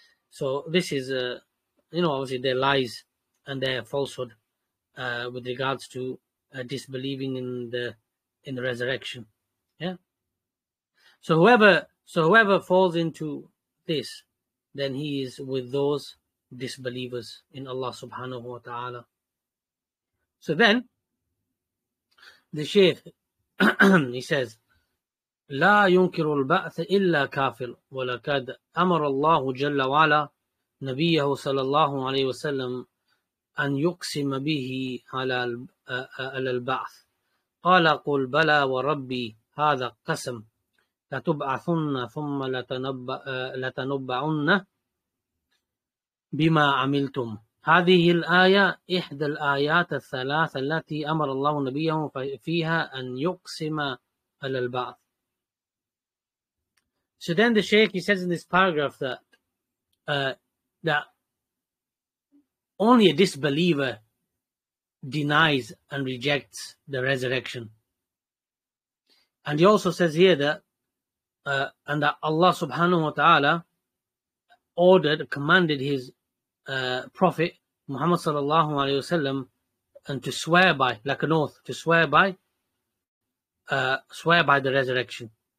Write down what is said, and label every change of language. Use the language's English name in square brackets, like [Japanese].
[English] So this is, obviously their lies and their falsehood with regards to disbelieving in the resurrection. Yeah. So whoever falls into this, then he is with those disbelievers in Allah subhanahu wa ta'ala. So then the Shaykh he says, [Arabic] لا ينكر البعث إلا كافر ولقد أمر الله جل وعلا نبيه صلى الله عليه وسلم أن يقسم به على البعث قال قل بلى وربي هذا قسم لتبعثن ثم لتنبعن بما عملتم. هذه الآية إحدى الآيات الثلاث التي أمر الله نبيه فيها أن يقسم على البعث. [English] So then the Shaykh, he says in this paragraph that only a disbeliever denies and rejects the resurrection. And he also says here that Allah subhanahu wa ta'ala commanded his prophet Muhammad sallallahu alayhi wa sallam and to swear by, like an oath, to swear by the resurrection.